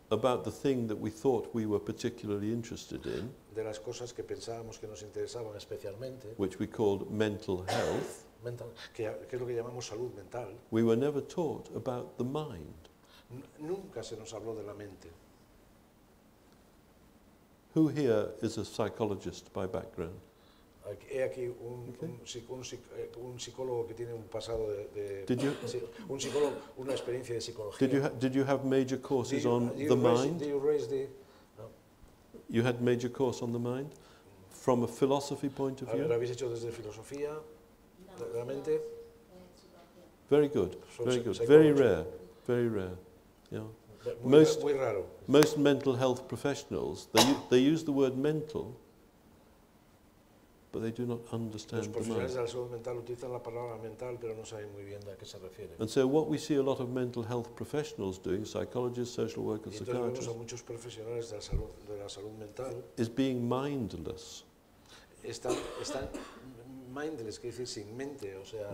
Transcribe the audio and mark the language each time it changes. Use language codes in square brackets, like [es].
[en] about the thing that we thought we were particularly interested in, [es] de las cosas que pensábamos que nos interesaban especialmente, [en] which we called mental health, [es] mental, que es lo que llamamos salud mental. [en] We were never taught about the mind. [es] Nunca se nos habló de la mente. [en] Who here is a psychologist by background? [es] He aquí un psicólogo que tiene un pasado de un psicólogo, una experiencia de psicología. [en] Did you have major courses on the mind? Did you raise the? No. You had major course on the mind, from a philosophy point of view. [es] ¿Lo habéis hecho desde filosofía, realmente? [en] Very good. Very good. Very rare. Very rare. Yeah. [es] Muy raro. [en] Most mental health professionals they use the word mental, but they do not understand the mind. [es] Los profesionales de la salud mental utilizan la palabra mental, pero no saben muy bien a qué se refiere. [en] And so what we see a lot of mental health professionals doing, psychologists, social workers, psychiatrists, [es] vemos a muchos profesionales de la salud mental, [en] is being mindless. [es] Están mindless, que decir sin mente, o sea.